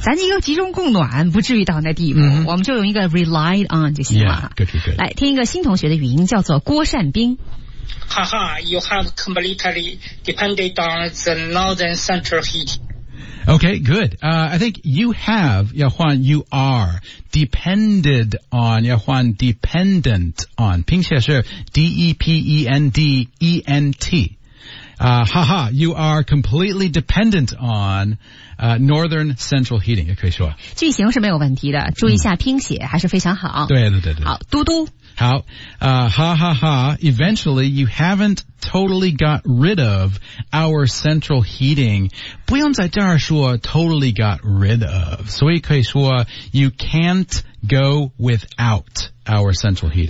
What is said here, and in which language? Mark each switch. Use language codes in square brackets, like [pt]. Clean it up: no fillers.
[zh] 咱一个集中供暖不至于到那地步、 mm-hmm. 我们就用一个 relied on 就行了 [en] yeah, good, good. [zh] 来听一个新同学的语音叫做郭善兵 [en] 哈哈 You have completely depended on the northern central heating Okay, good、I think you have [zh] 要换 [en] you are depended on 要换 dependent on 拼写是 D-E-P-E-N-D-E-N-Tha ha, you are completely dependent on, northern central heating, [zh] 也可以说。句型是没有问题的注意一下拼写、嗯、还是非常好。对对对对。好嘟嘟。 [en] 好哈哈哈 eventually you haven't totally got rid of our central heating. [zh] 不用在这儿说 [en] totally got rid of, [zh] 所以可以说 [en] you can't go without. Our central heating.